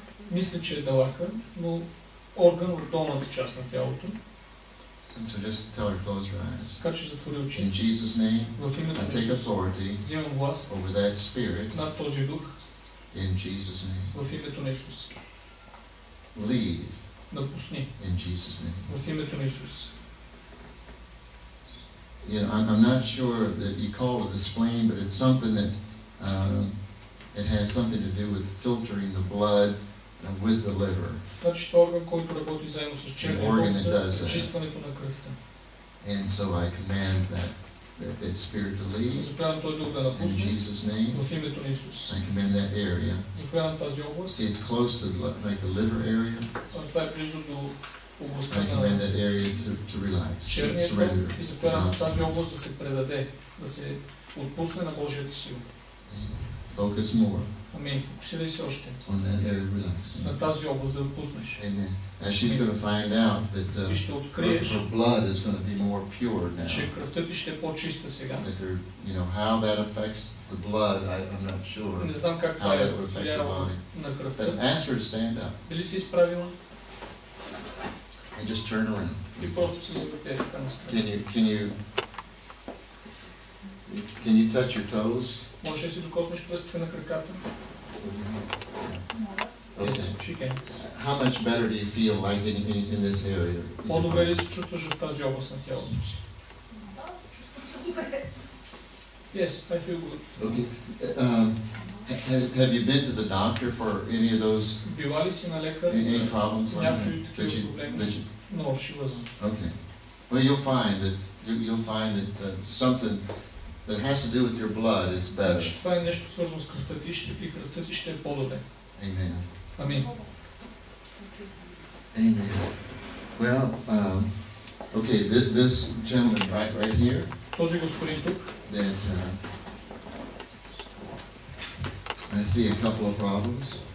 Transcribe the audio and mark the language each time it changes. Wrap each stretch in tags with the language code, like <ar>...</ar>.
<bg>Мисля, че е далака, но орган в долната част на тялото.</bg> <en>And so just tell her, close your eyes.</en> <bg>Така че затвори очи.</bg> <en>In Jesus name,</en> <bg>в името</bg> <en>I take authority</en> <bg>взимам власт</bg> <en>over that spirit</en> <bg>над този дух.</bg> <en>In Jesus name.</en> <bg>В името на Исус.</bg> <en>Leave.</en> <bg>Напусни.</bg> <en>In Jesus name.</en> <bg>В името на Исус.</bg> <en>You know, I'm not sure that you call it a spleen, but it's something that it has something to do with filtering the blood with the liver.</en> <bg>Значи орган, който работи заедно с червеното, очистването на кръвта.</bg> <en>And so I command that spirit to leave.</en> <bg>Заповядам той дух да напусне.</bg> <en>In Jesus name.</en> <bg>В името на Исус.</bg> <en>I command that area.</en> <bg>Заповядам тази област.</bg> <en>It's close to the liver area.</en> <bg>Това е близо до областта.</bg> <en>I command that area to relax. Surrender.</en> <bg>И заповядам тази област да се предаде, да се отпусне на Божията сила.</bg> <en>Focus more.</en> <bg>Амин. Фокусирай се още.</bg> <en>On that area, relaxing.</en> <bg>На тази област да отпуснеш.</bg> <en>Amen. And she's going to find out that her blood is going to be more pure now.</en> <bg>Че кръвта ти ще е по-чиста сега.</bg> <en>That her, you know, how that affects the blood, I'm not sure.</en> <bg>Не знам как това е влияло на кръвта.</bg> <en>But ask her to stand up.</en> <bg>Били си изправила?</bg> <en>And just turn around.</en> <bg>И просто се завъртя така настрани.</bg> <en>Can you touch your toes?</en> <bg>Може ли си докоснеш пръстите на краката?</bg> <en>Okay. How much better do you feel like in this area?</en> <bg>По-добре ли се чувстваш в тази област на тялото си? Да, чувствам се добре.</bg> <en>Yes, I feel good. Okay. Have you been to the doctor for any of those?</en> <bg>Била ли си на лекар за някои такива проблеми?</bg> <en>No, she wasn't. Okay. Well, you'll find that something that has to do with your blood is better.</en> <bg>Това е нещо свързано с кръвта ти, ще пи кръвта ти ще е по-добре.</bg> <en>Amen.</en> <bg>Амин.</bg> <en>Amen. Well, okay, this gentleman right here.</en> <bg>Този господин тук.</bg> <en>That I see a couple of problems.</en>